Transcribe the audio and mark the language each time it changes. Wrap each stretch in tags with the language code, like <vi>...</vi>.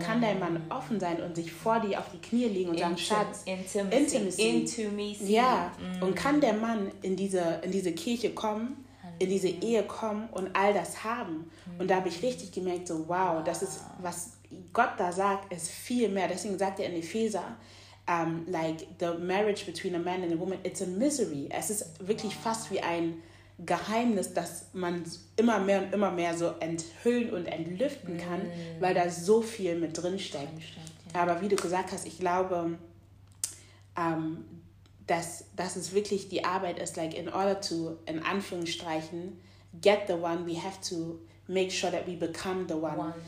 <de>Kann dein Mann offen sein und sich vor dir auf die Knie legen und sagen, Schatz,</de> <en>Intimacy.</en> <de>Ja, und kann der Mann in diese Kirche kommen, in diese Ehe kommen und all das haben. Und da habe ich richtig gemerkt, so wow, das ist, was Gott da sagt, ist viel mehr. Deswegen sagt er in Epheser,</de> <en>like the marriage between a man and a woman, it's a misery.</en> <de>Es ist wirklich fast wie ein Geheimnis, das man immer mehr und immer mehr so enthüllen und entlüften kann, weil da so viel mit drinsteckt. Aber wie du gesagt hast, ich glaube, dass es wirklich die Arbeit ist,</de> <en>like in order to,</en> <de>in Anführungsstrichen,</de> <en>get the one, we have to make sure that we become the one.</en>